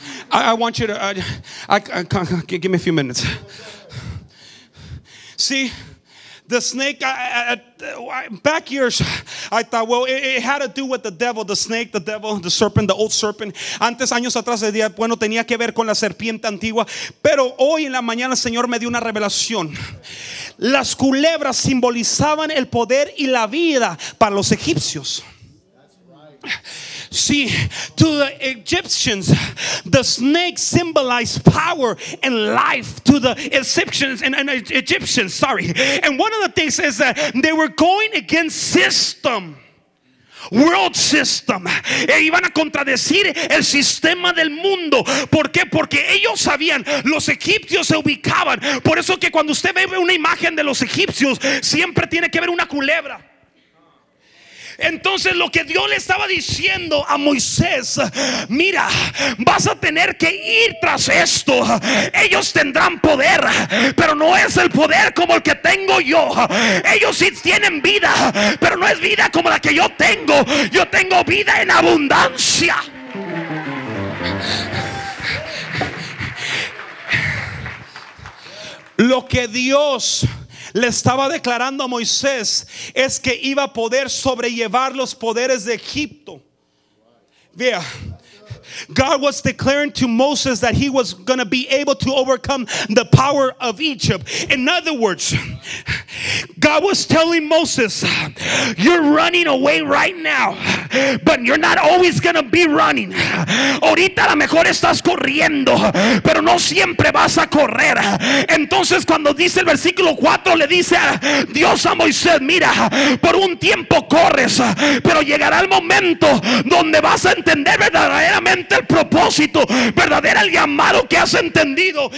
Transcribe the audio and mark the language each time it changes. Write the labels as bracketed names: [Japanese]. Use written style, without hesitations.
[English] I want you to give me a few minutes. See, the snake, back years, I thought, well, it had to do with the devil, the snake, the devil, the serpent, the old serpent. [Spanish] Antes, años atrás, decía, bueno, tenía que ver con la serpiente antigua. Pero hoy en la mañana, el Señor me dio una revelación. Las culebras simbolizaban el poder y la vida para los egipcios. [English] See, to the Egyptians, the snake symbolized power and life to the Egyptians. And one of the things is that they were going against system. World system. [Spanish] E iban a contradecir el sistema del mundo. ¿Por qué? Porque ellos sabían, los egipcios se ubicaban. Por eso que cuando usted ve una imagen de los egipcios, siempre tiene que ver una culebra. Entonces lo que Dios le estaba diciendo a Moisés, mira, vas a tener que ir tras esto. Ellos tendrán poder, pero no es el poder como el que tengo yo. Ellos sí tienen vida, pero no es vida como la que yo tengo. Yo tengo vida en abundancia. Lo que Dios le estaba declarando a Moisés es que iba a poder sobrellevar los poderes de Egipto. [English] Yeah. God was declaring to Moses that he was going to be able to overcome the power of Egypt. In other words, God was telling Moses, you're running away right now, but you're not always going to be running. [Spanish] Ahorita a lo mejor estás corriendo, pero no siempre vas a correr. Entonces cuando dice el versículo 4, le dice a Dios a Moisés, mira, por un tiempo corres, pero llegará el momento donde vas a entender verdaderamente el propósito, verdadero el llamado que has entendido.